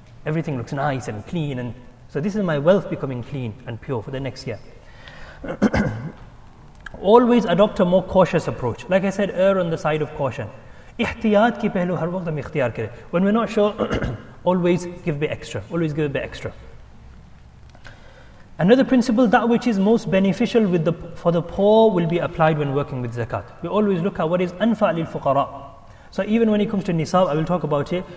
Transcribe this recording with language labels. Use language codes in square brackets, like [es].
[en] Everything looks nice and clean. And so this is my wealth becoming clean and pure for the next year. Always adopt a more cautious approach. Like I said, err on the side of caution. [ur] احتیاط کی پہلو ہر وقت ہم اختیار کریں. [en] When we're not sure, always give a bit extra. Always give a bit extra. Another principle, that which is most beneficial with the for the poor will be applied when working with zakat. We always look at what is anfa' lil fuqara. So even when it comes to nisab, I will talk about it.